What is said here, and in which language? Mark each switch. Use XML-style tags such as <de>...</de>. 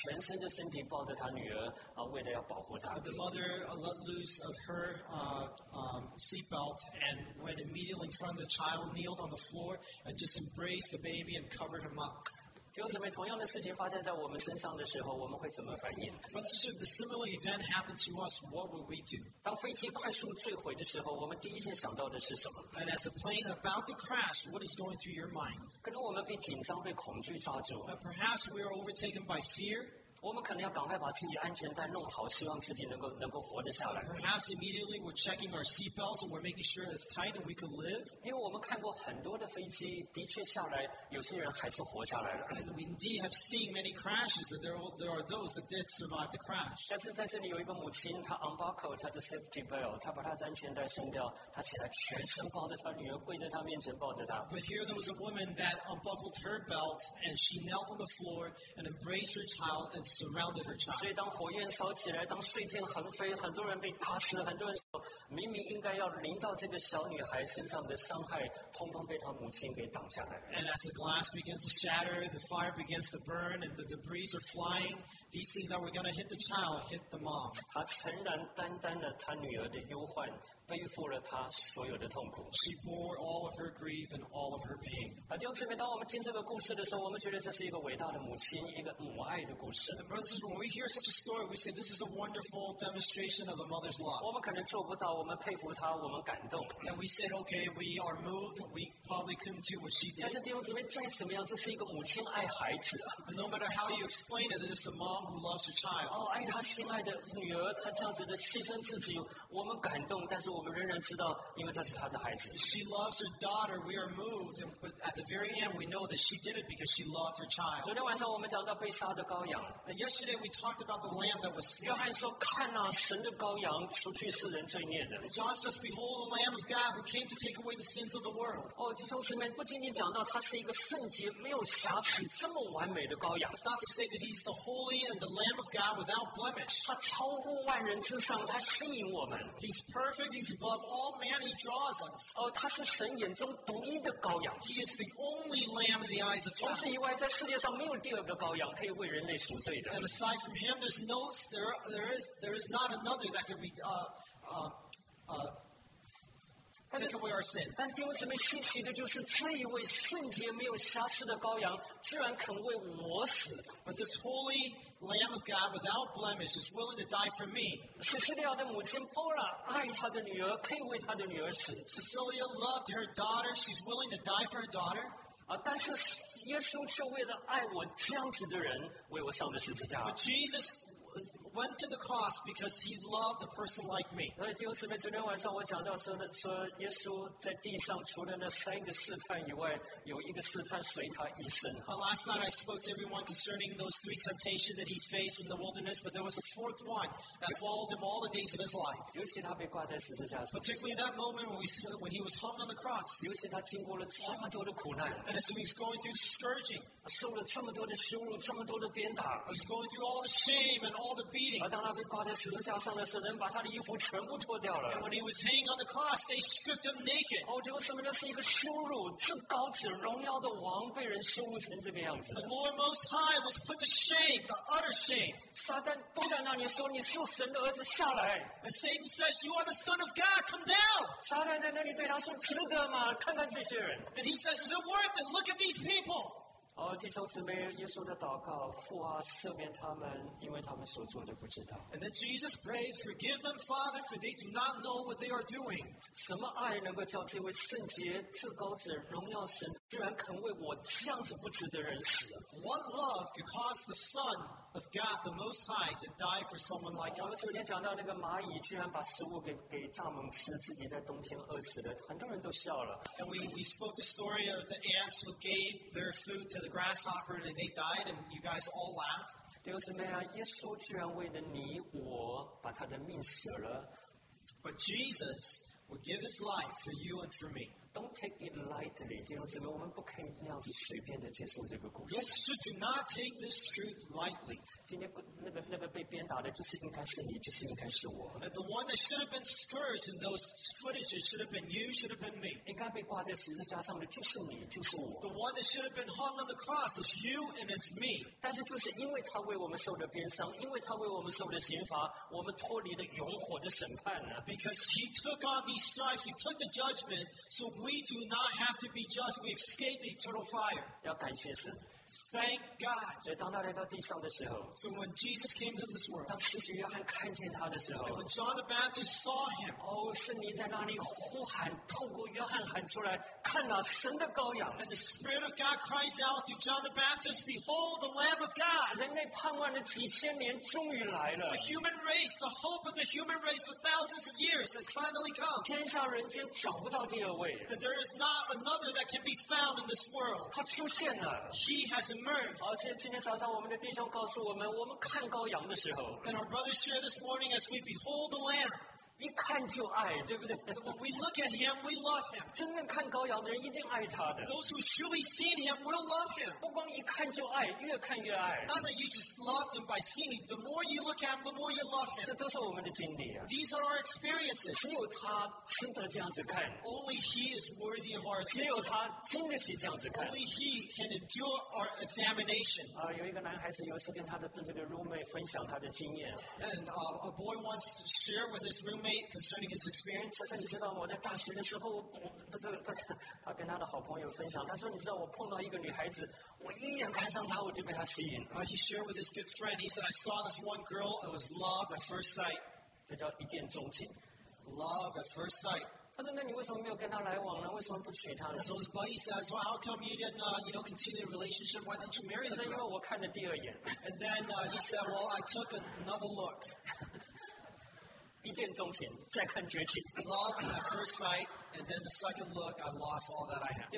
<en>The mother let loose of her seatbelt and went immediately in front of the child, kneeled on the floor, and just embraced the baby and covered him up.</en> <zh>弟兄姊妹，同样的事情发生在我们身上的时候，我们会怎么反应？</zh> <en>But if the similar event happened to us, what would we do?</en> <zh>当飞机快速坠毁的时候，我们第一件想到的是什么？</zh> <en>And as the plane about to crash, what is going through your mind?</en> <zh>可能我们被紧张、被恐惧抓住。</zh> <en>Perhaps we are overtaken by fear.</en> <zh>我们可能要赶快把自己安全带弄好，希望自己能够活得下来。</zh> <en>Perhaps immediately we're checking our seat belts and we're making sure it's tight and we can live.</en> <zh>因为我们看过很多的飞机，的确下来有些人还是活下来了。</zh> <en>And we indeed have seen many crashes that there are those that did survive the crash.</en> <zh>但是在这里有一个母亲，她 unbuckle 她的 safety belt， 她把她的安全带松掉，她起来全身抱着她女儿，跪在她面前抱着她。</zh> <en>But here there was a woman that unbuckled her belt and she knelt on the floor and embraced her child and surrounded her child.</en> <zh>所以当火焰烧起来，当碎片横飞，很多人被打死，很多人说明明应该要淋到这个小女孩身上的伤害，通通被她母亲给挡下来。</zh> <en>And as the glass begins to shatter, the fire begins to burn, and the debris are flying. These things that were going to hit the child hit the mom.</en> <zh>她承担担当了她女儿的忧患。背负了他所有的痛苦。</zh> <en>She bore all of her grief and all of her pain.</en> <zh>啊，弟兄姊妹，当我们听这个故事的时候，我们觉得这是一个伟大的母亲，一个母爱的故事。</zh> <en>And brothers, when we hear such a story, we say this is a wonderful demonstration of a mother's love.</en> <zh>我们可能做不到，我们佩服她，我们感动。</zh> <en>And we said, okay, we are moved. We probably couldn't do what she did.</en> <zh>但是弟兄姊妹，再怎么样，这是一个母亲爱孩子。</zh> <en>And no matter how you explain it, this is a mom who loves her child.</en> <zh>哦，爱她心爱的女儿，她这样子的牺牲自己，我们感动，但是我们仍然知道，因为她是她的孩子。</zh> <en>She loves her daughter. We are moved, but at the very end, we know that she did it because she loved her child.</en> <zh>昨天晚上我们讲到被杀的羔羊。</zh> <en>And yesterday we talked about the lamb that was slain.</en> <zh>约翰说：“看啊，神的羔羊，除去世人罪孽的。”</zh> <en>John says, "Behold, the Lamb of God who came to take away the sins of the world."</en> <zh>哦，弟兄姊妹，不仅仅讲到他是一个圣洁、没有瑕疵、这么完美的羔羊。</zh> <en>It's not to say that he's the holy and the Lamb of God without blemish.</en> <zh>他超乎万人之上，他吸引我们。</zh> <en>He's perfect. He'sOf all man, he draws us.</en> <zh>哦，他是神眼中独一的羔羊。</zh> <en>He is the only lamb in the eyes of God.</en> <zh>除此以外，在世界上没有第二个羔羊可以为人类赎罪的。</zh> <en>And aside from him, there's no, there is not another that can be take away our sin.</en> <zh>但是弟兄姊妹，稀奇的就是这一位圣洁没有瑕疵的羔羊，居然肯为我死。</zh> <en>But this holy Lamb of God without blemish is willing to die for me.</en> <zh>Cecilia 的母亲 Paula 爱她的女儿，可以为她的女儿死。</zh> <en>Cecilia loved her daughter. She's willing to die for her daughter.</en> <zh>啊，但是耶稣却为了爱我这样子的人，为我上了十字架。</zh> <en>But Jesus went to the cross because he loved a person like me.</en> <zh>所以弟兄姊妹，昨天晚上我讲到说耶稣在地上除了那三个试探以外，有一个试探随他一生。</zh> <en>Last night I spoke to everyone concerning those three temptations that he faced in the wilderness, but there was a fourth one that followed him all the days of his life.</en> <zh>尤其他被挂在十字架上。</zh> <en>Particularly that moment when he was hung on the cross.</en> <zh>尤其他经过了这么多的苦难。</zh> <en>And so he's going through scourging.</en> <zh>受了这么多的羞辱，这么多的鞭打。</zh> <en>He's going through all the shame and all the beating.</en> <zh>而当他被挂在十字架上的时候，人把他的衣服全部脱掉了。</zh> <en>And when he was hanging on the cross, they stripped him naked.</en> <zh>哦，这个什么？这是一个羞辱、至高者、荣耀的王被人羞辱成这个样子。</zh> <en>The Lord Most High was put to shame, the utter shame.</en> <zh>撒旦都在那里说你是神的儿子，下来。</zh> <en>And Satan says, "You are the Son of God. Come down."</en> <zh>撒旦在那里对他说，值得吗？看看这些人。</zh> <en>And he says, "Is it worth it? Look at these people."</en> <zh>哦，弟兄姊妹，耶稣的祷告，父啊，赦免他们，因为他们所做的不知道。</zh> <en>And then Jesus prayed, "Forgive them, Father, for they do not know what they are doing."</en> <zh>什么爱能够叫这位圣洁、至高者、荣耀神，居然肯为我这样子不值得人死</zh> <en>？What love could cause the Son of God, the Most High, to die for someone like us?</en> <zh>我们昨天讲到那个蚂蚁，居然把食物给蚱蜢吃，自己在冬天饿死了，很多人都笑了。</zh> <en>And we spoke the story of the ants who gave their food to the grasshopper and they died, and you guys all laughed.</en> <zh>弟兄姊妹啊，耶稣居然为了你我把他的命舍了。</zh> <en>But Jesus would give his life for you and for me. Don't take it lightly,</en> <zh>弟兄姊妹，我们不可以那样子随便的接受这个故事。</zh> <en>Yes, so do not take this truth lightly.</en> <zh>今天那个被鞭打的，就是应该是你，就是应该是我。</zh> <en>And the one that should have been scourged in those footages should have been you, should have been me.</en> <zh>应该被挂在十字架上的就是你，就是我。</zh> <en>The one that should have been hung on the cross is you and it's me.</en> <zh>但是就是因为他为我们受的鞭伤，因为他为我们受的刑罚，我们脱离了永火的审判呢。</zh> <en>Because he took on these stripes, he took the judgment, so we do not have to be judged. We escape the eternal fire.</en> <zh>要感谢神。</zh> <en>Thank God.</en> <zh>所以当他来到地上的时候</zh> <en>，So when Jesus came to this world，</en> <zh>当施洗约翰看见他的时候</zh> <en>，When John the Baptist saw him，</en> <zh>哦，圣灵在那里呼喊，透过约翰喊出来，看到神的羔羊。</zh> <en>And the Spirit of God cries out through John the Baptist, "Behold the Lamb of God!"</en> <zh>人类盼望了几千年，终于来了。</zh> <en>The human race, the hope of the human race for thousands of years has finally come.</en> <zh>天上人间找不到第二位。</zh> <en>And there is not another that can be found in this world.</en> <zh>他出现了。</zh> <en>He has emerged.</en> <zh>而且今天早上我们的弟兄告诉我们，我们看羔羊的时候。</zh> <en>And our brothers share this morning as we behold the Lamb.</en> <zh>一看就爱，对不对</zh> <en>？When we look at him, we love him.</en> <zh>真正看羔羊的人一定爱他的。</zh> <en>Those who truly seen him will love him.</en> <zh>不光一看就爱，越看越爱。</zh> <en>Not that you just love them by seeing him. The more you look at him, the more you love him.</en> <zh>这都是我们的经历啊。</zh> <en>These are our experiences.</en> <zh>只有他值得这样子看。</zh> <en>Only he is worthy of our attention.</en> <zh>只有他经得起这样子看。</zh> <en>Only he can endure our examination.</en> <zh>啊，有一个男孩子有一次跟他的这个 roommate 分享他的经验。</zh> <en>And a boy wants to share with his roommate. Concerning his experience,</en> <zh>他说：“你知道我在大学的时候，他跟他的好朋友分享。他说：‘你知道我碰到一个女孩子，我一眼看上她，我就被她吸引。’</zh> <en>He shared with his good friend. He said, "I saw this one girl. It was love at first sight."</en> <zh>这叫一见钟情。</zh> <en>Love at first sight.</en> <zh>他说：‘那你为什么没有跟她来往呢？为什么不娶她呢？’</zh> <en>So his buddy says, "Well, how come you didn't, continue the relationship? Why didn't you marry the girl?"</en> <zh>因为我看了第二眼。</zh> <en>And then he said, "Well, I took another look."</en> <zh>一见钟情，再看绝情。</zh> <en>Love at first sight, and then the second look, I lost all that I have.</en>